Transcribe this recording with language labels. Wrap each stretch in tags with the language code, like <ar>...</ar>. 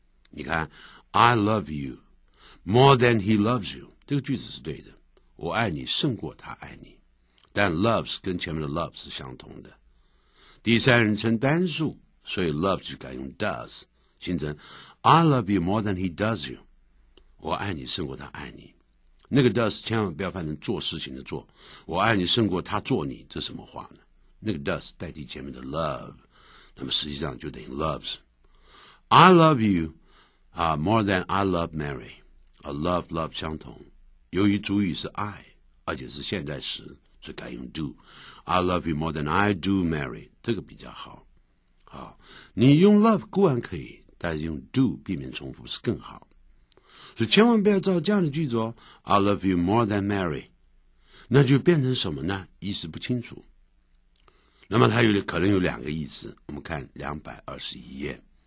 <zh>你看</zh> <en>I love you more than he loves you，</en> <zh>这个句子是对的，我爱你胜过他爱你，但 loves 跟前面的 love 是相同的，第三人称单数，所以 love 就改用 does， 形成</zh> <en>I love you more than he does you，</en> <zh>我爱你胜过他爱你，那个 does 千万不要翻成做事情的做，我爱你胜过他做你，这什么话呢？那个 does 代替前面的 love， 那么实际上就等于 loves。</zh> <en>I love you、more than I love Mary、</en> <zh>love love 相同，由于主语是 I 而且是现在时，所以改用 do。</zh> <en>I love you more than I do Mary，</en> <zh>这个比较好。好，你用 love 固然可以，但是用 do 避免重复是更好，所以千万不要照这样的句子哦，</zh> <en>I love you more than Mary，</en> <zh>那就变成什么呢？意思不清楚。那么它有可能有两个意思，我们看221页。</zh>